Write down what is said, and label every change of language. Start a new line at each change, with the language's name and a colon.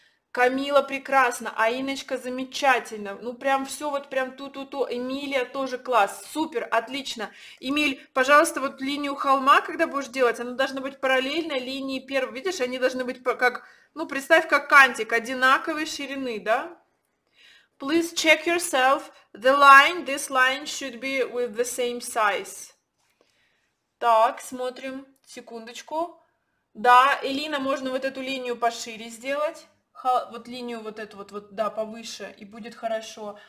Russian: Камила прекрасно, Аиночка замечательно, ну прям все вот прям ту-ту-ту, Эмилия тоже класс, супер, отлично. Эмиль, пожалуйста, вот линию холма, когда будешь делать, она должна быть параллельно линии первой, видишь, они должны быть как, ну представь, как кантик, одинаковой ширины, да?
English: Please check yourself, the line, this line should be with the same size.
Russian: Так, смотрим. Секундочку. Да, Элина, можно вот эту линию пошире сделать. Вот линию вот эту вот, да, повыше, и будет хорошо.